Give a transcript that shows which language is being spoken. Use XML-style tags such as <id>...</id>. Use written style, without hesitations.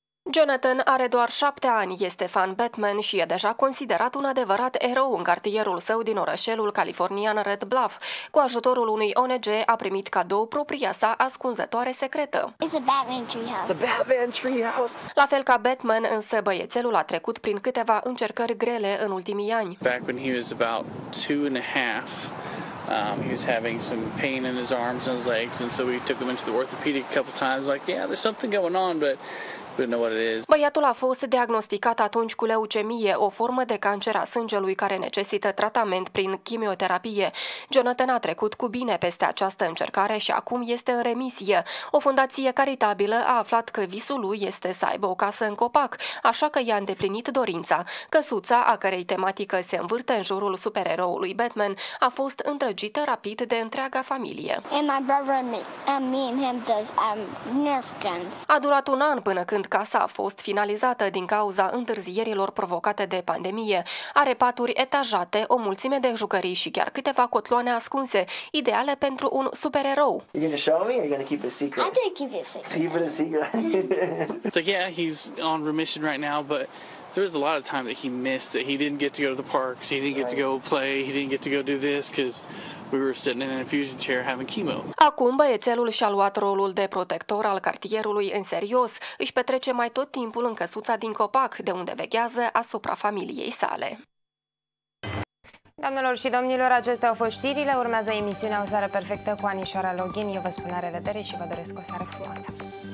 <ro>Jonathan are doar 7 ani, este fan Batman și e deja considerat un adevărat erou în cartierul său din orășelul californian Red Bluff. Cu ajutorul unui ONG a primit cadou propria sa ascunzătoare secretă.</ro> <en>It's a Batman treehouse. It's a Batman treehouse.</en> <ro>La fel ca Batman, însă băiețelul a trecut prin câteva încercări grele în ultimii ani.</ro> <en>Back when he was about 2.5, he was having some pain in his arms and his legs, and so we took him into the orthopedic a couple times, like, yeah, there's something going on, but...</en> <ro>Băiatul a fost diagnosticat atunci cu leucemie, o formă de cancer a sângelui care necesită tratament prin chimioterapie. Jonathan a trecut cu bine peste această încercare și acum este în remisie. O fundație caritabilă a aflat că visul lui este să aibă o casă în copac, așa că i-a îndeplinit dorința. Căsuța, a cărei tematică se învârte în jurul supereroului Batman, a fost îndrăgită rapid de întreaga familie. A durat un an până când casa a fost finalizată din cauza întârzierilor provocate de pandemie. Are paturi etajate, o mulțime de jucării și chiar câteva cotloane ascunse, ideale pentru un supererou.</ro> <en>You're gonna show me or you're gonna keep it secret? I'm gonna keep it secret. Keep it a secret. So yeah, he's on remission right now, but there was a lot of time that he missed, that he didn't get to go to the parks, he didn't get to go play, he didn't get to go do this, because we were sitting in an infusion chair having chemo.</en> <ro>Acum băiețelul și-a luat rolul de protector al cartierului în serios. Își petrece mai tot timpul în căsuța din copac, de unde veghează asupra familiei sale. Doamnelor și domnilor, acestea au fost știrile. Urmează emisiunea O seară perfectă cu Anișoara Login. Eu vă spun la revedere și vă doresc o seară frumoasă.</ro>